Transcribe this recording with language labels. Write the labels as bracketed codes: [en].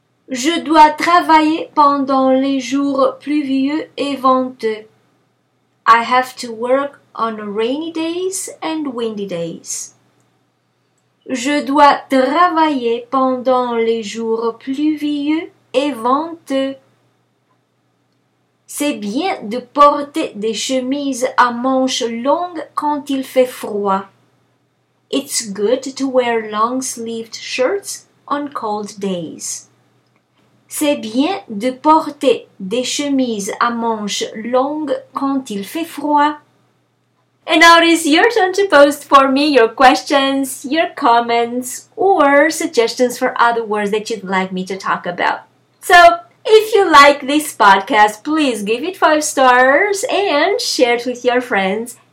[fr] Je dois travailler pendant les jours pluvieux et venteux. [en] I have to work on rainy days and windy days. [fr] Je dois travailler pendant les jours pluvieux et venteux. C'est bien de porter des chemises à manches longues quand il fait froid. [en] It's good to wear long-sleeved shirts on cold days. [fr] C'est bien de porter des chemises à manches longues quand il fait froid. [en] And now it is your turn to post for me your questions, your comments, or suggestions for other words that you'd like me to talk about. So, if you like this podcast, please give it 5 stars and share it with your friends.